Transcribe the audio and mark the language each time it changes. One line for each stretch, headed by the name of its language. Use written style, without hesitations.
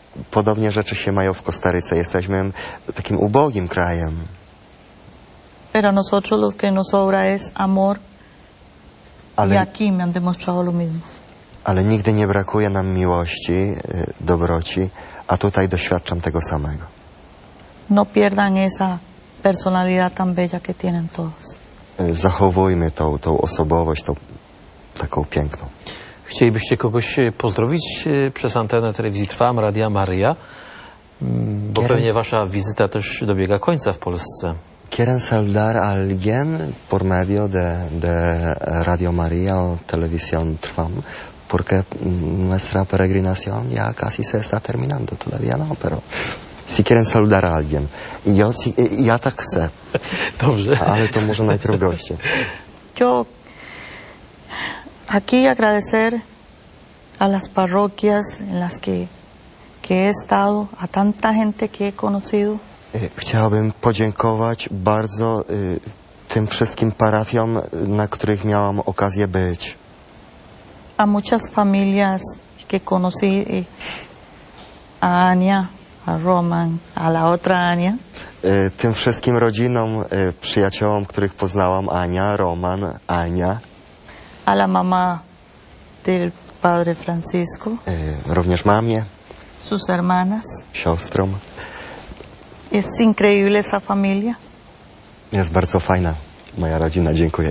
Polish: Podobnie rzeczy się mają w Kostaryce. Jesteśmy takim ubogim krajem.
Spanish: Pero nosotros lo que nos sobra es amor. Ale, y aquí me han demostrado lo mismo.
Polish: Ale nigdy nie brakuje nam miłości, dobroci, a tutaj doświadczam tego samego.
Spanish: No pierdan esa personalidad tan bella que tienen todos.
Polish: Zachowujmy tą osobowość, tą taką piękną. Chcielibyście kogoś pozdrowić przez antenę telewizji Trwam, Radia Maria? Bo pewnie wasza wizyta też dobiega końca w Polsce.
Spanish: Quieren saludar a alguien por medio de Radio María o Televisión Trvam, porque nuestra peregrinación ya casi se está terminando, todavía no, pero si quieren saludar a alguien, ya
Polish: tak chcę. Dobrze. Ale to może najpierw goście.
Spanish: Yo aquí agradecer a las parroquias en las que he estado, a tanta gente que he conocido.
Polish: Chciałbym podziękować bardzo tym wszystkim parafiom, na których miałam okazję być.
Spanish: A muchas familias que conocí, a Ania, a Roman, a la otra Ania.
Polish: Tym wszystkim rodzinom, przyjaciołom, których poznałam, Ania, Roman, Ania.
Spanish: A la mama del padre Francisco.
Polish: Również mamie.
Spanish: Sus hermanas.
Polish: Siostrom.
Spanish: Jest increíble esa familia.
Polish: Jest bardzo fajna moja rodzina, dziękuję.